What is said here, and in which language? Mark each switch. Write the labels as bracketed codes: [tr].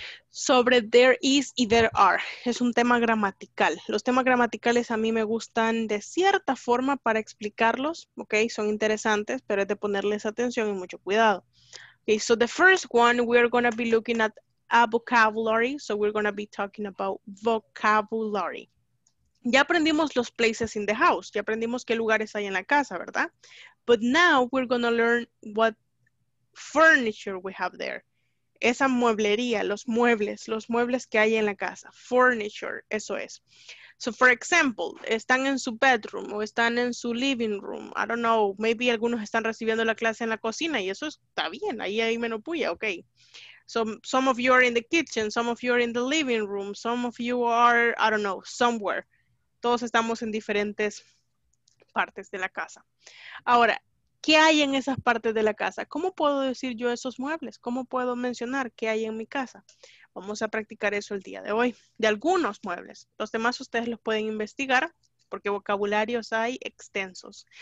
[es] sobre there is y there are. Es un tema gramatical. Los temas gramaticales a mí me gustan de cierta forma para explicarlos, ¿ok? Son interesantes, pero es de ponerles atención y mucho cuidado. [en] Okay, so the first one, we are going to be looking at a vocabulary. So we're going to be talking about vocabulary. [es] Ya aprendimos los [en] places in the house. [es] Ya aprendimos qué lugares hay en la casa, ¿verdad? [en] But now we're going to learn what furniture we have there. [es] Esa mueblería, los muebles que hay en la casa, furniture, eso es. [en] So, for example, [es] están en su bedroom o están en su living room, [en] I don't know, maybe [es] algunos están recibiendo la clase en la cocina y eso está bien, ahí hay menos puya, ok. [en] So, some of you are in the kitchen, some of you are in the living room, some of you are, I don't know, somewhere. [es] Todos estamos en diferentes partes de la casa. Ahora, ¿qué hay en esas partes de la casa? ¿Cómo puedo decir yo esos muebles? ¿Cómo puedo mencionar qué hay en mi casa? Vamos a practicar eso el día de hoy. De algunos muebles. Los demás ustedes los pueden investigar porque vocabularios hay extensos.